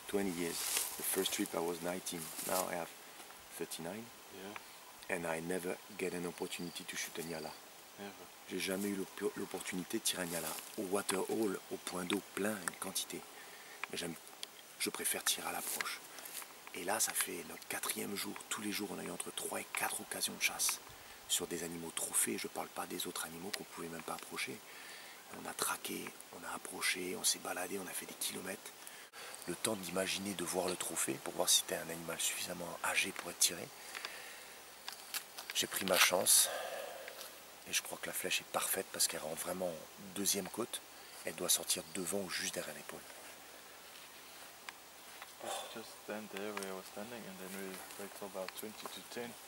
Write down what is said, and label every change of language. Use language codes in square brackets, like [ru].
[en] 20 years. The first trip I was 19. Now I have 39. Yeah. And I never get an opportunity to shoot a nyala. Never. [fr] J'ai jamais eu l'opportunité de tirer un nyala au waterhole, au point d'eau plein, une quantité. Mais j'aime, je préfère tirer à l'approche. Et là, ça fait notre quatrième jour. Tous les jours, on a eu entre 3 et 4 occasions de chasse sur des animaux trophées. Je ne parle pas des autres animaux qu'on ne pouvait même pas approcher. On a traqué, on a approché, on s'est baladé, on a fait des kilomètres. Le temps d'imaginer, de voir le trophée pour voir si c'était un animal suffisamment âgé pour être tiré. J'ai pris ma chance et je crois que la flèche est parfaite parce qu'elle rentre vraiment deuxième côte. Elle doit sortir devant ou juste derrière l'épaule. [en] Just stand there where I was standing and then we wait till about 20 to 10.